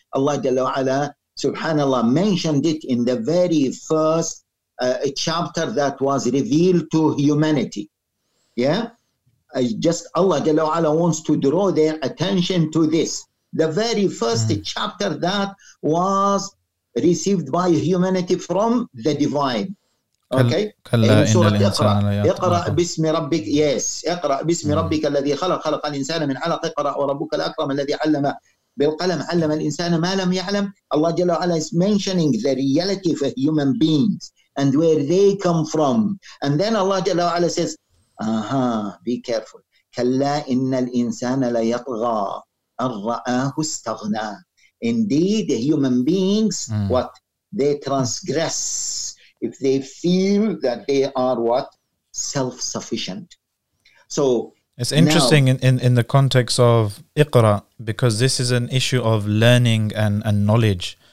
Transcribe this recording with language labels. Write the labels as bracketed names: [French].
[English] Allah Jalla wa Ala, subhanAllah, mentioned it in the very first chapter that was revealed to humanity. Just Allah Jalla wa Ala wants to draw their attention to this. The very first chapter that was received by humanity from the divine. Okay. [Arabic] اقرأ باسم ربك الذي خلق خلق الإنسان من علق اقرأ وربك الأكرم الذي علم بالقلم علم الإنسان ما لم يعلم. الله جل وعلا [English] is mentioning the reality of human beings and where they come from. And then Allah [Arabic] جل وعلا [English] says, be careful. [Arabic] كلا إن الإنسان لا يطغى الرآه استغنى. [English] Indeed, the human beings, what? They transgress if they feel that they are what? Self-sufficient. So it's interesting now, in the context of Iqra, because this is an issue of learning and knowledge.